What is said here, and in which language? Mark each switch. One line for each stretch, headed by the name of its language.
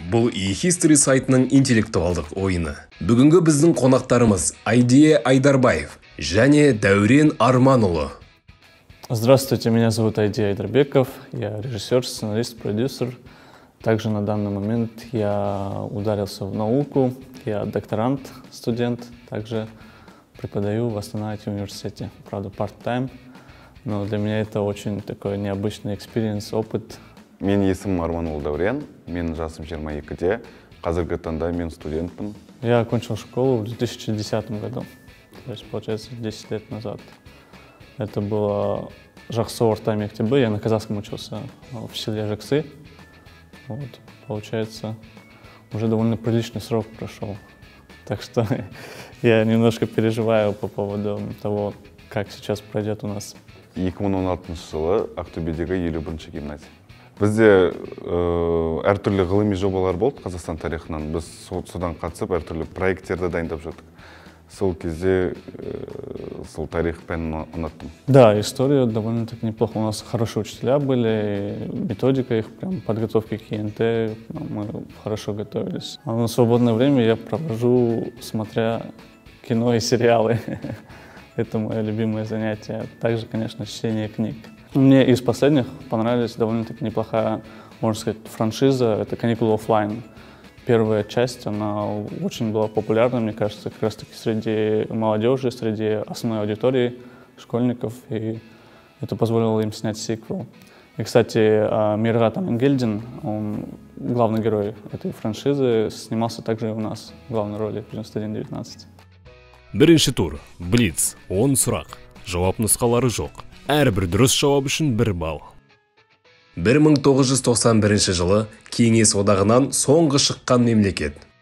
Kazakh: Бұл eHistory сайтының интеллектуалдық ойыны. Бүгінгі біздің қонақтарымыз Айдия Айдарбаев және Дәурен Арманұлы.
Russian: Здравствуйте, меня зовут Айдия Айдарбеков. Я режиссер, сценарист, продюсер. Также на данный момент я ударился в науку. Я докторант, студент. Также преподаю в Астана IT-университете. Правда, part-time. Но для меня это очень такой необычный экспириенс, опыт.
Kazakh: Мен есім Арманұлы Дәурен, мен жасым 22-де, қазіргі таңда мен студентпін.
Russian: Я окончил школу в 2010 году, то есть, получается, 10 лет назад. Это было
Kazakh: жақсы орта мектебі,
Russian: я на казахском учился в селе Жақсы. Вот, получается, уже довольно приличный срок прошел. Так что я немножко переживаю по поводу того, как сейчас пройдет у нас.
Kazakh: 2016 жылы Ақтөбедегі 51-ші гимназия. Бізде әртүрлі ғылыми жобалар болды Қазақстан тарихынан. Біз содан қатысып, әртүрлі проекттерді дайындап жүрдік. Сол кезде сол тарих пәнін ұнаттым.
Russian: Да, история довольно так неплохо. У нас хорошие учителя были, методика их прям подготовки к ЕНТ, мы хорошо готовились. А на свободное время я провожу, смотря кино и сериалы. Это мое любимое занятие. Также, конечно, чтение книг. Мне из последних понравилась довольно-таки неплохая, можно сказать, франшиза. Это «Каникулы офлайн». Первая часть, она очень была популярна, мне кажется, как раз-таки среди молодежи, среди основной аудитории, школьников. И это позволило им снять сиквел. И, кстати, Мират Ангельдин, он главный герой этой франшизы, снимался также и у нас в главной роли в 91-19.
Kazakh: Бірінші тур. Блиц. 10 сұрақ. Жауап нұсқалары жоқ. Әрбір дұрыс жауап үшін бір бал. 1991 жылы Кеңес одағынан соңғы шыққан мемлекет.